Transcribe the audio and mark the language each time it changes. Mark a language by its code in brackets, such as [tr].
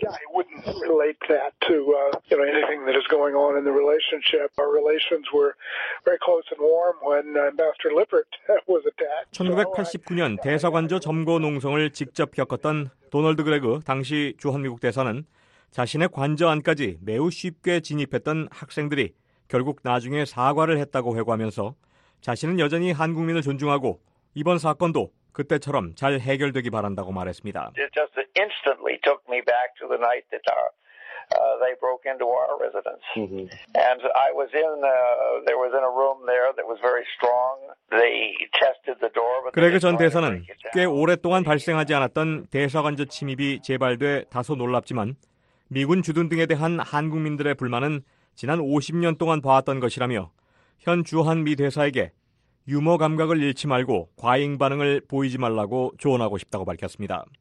[en] Yeah, I wouldn't relate that to anything that is going on in the relationship. Our relations were very close and warm when Ambassador Lippert was attacked. [ko] 1989년 대사관저 점거 농성을 직접 겪었던 도널드 그레그 당시 주한미국 대사는 자신의 관저 안까지 매우 쉽게 진입했던 학생들이 결국 나중에 사과를 했다고 회고하면서 자신은 여전히 한국민을 존중하고 이번 사건도 그때처럼 잘 해결되기 바란다고 말했습니다. [en] It just instantly took me back to the night that they broke into our residence. And I was in, there was in a room there that was very strong. They tested the door. [ko] 그레그 전 대사는 꽤 오랫동안 발생하지 않았던 대사관저 침입이 재발돼 다소 놀랍지만 미군 주둔 등에 대한 한국민들의 불만은 지난 50년 동안 봐왔던 것이라며 현 주한 미 대사에게 유머 감각을 잃지 말고 과잉 반응을 보이지 말라고 조언하고 싶다고 밝혔습니다.